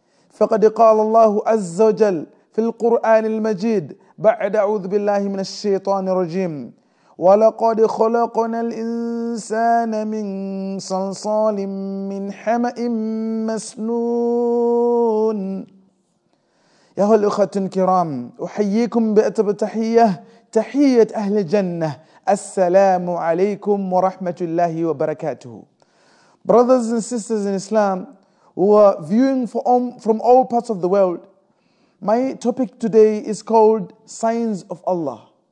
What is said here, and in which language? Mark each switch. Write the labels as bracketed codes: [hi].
[ar] فقد قال الله عز وجل في القرآن المجيد بعد أعوذ بالله من الشيطان الرجيم ولقد خلقنا الإنسان من صلصال من حمأ مسنون يا أهل الأخوة الكرام أحييكم بأطيب تحية Tahiyyat Ahl Jannah. Assalamu alaikum wa rahmatullahi wa barakatuhu. [en] Brothers and sisters in Islam who are viewing from all parts of the world, my topic today is called Signs of Allah.